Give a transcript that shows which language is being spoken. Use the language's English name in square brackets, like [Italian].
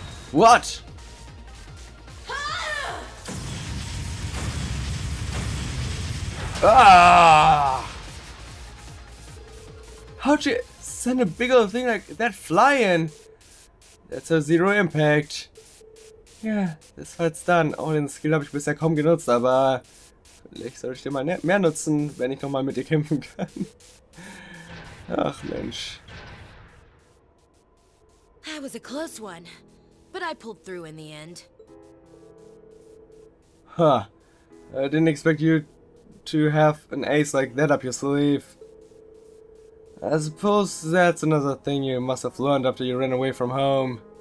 [English] What? Ah. How'd you send a big old thing like that flying? That's a zero impact. Yeah, this fight's done. [German] Oh, den Skill habe ich bisher kaum genutzt, aber. Vielleicht soll ich den mal mehr nutzen, wenn ich nochmal mit dir kämpfen kann. Ach Mensch. [English] That was a close one, but I pulled through in the end. Huh. I didn't expect you to have an ace like that up your sleeve. I suppose that's another thing you must have learned after you ran away from home.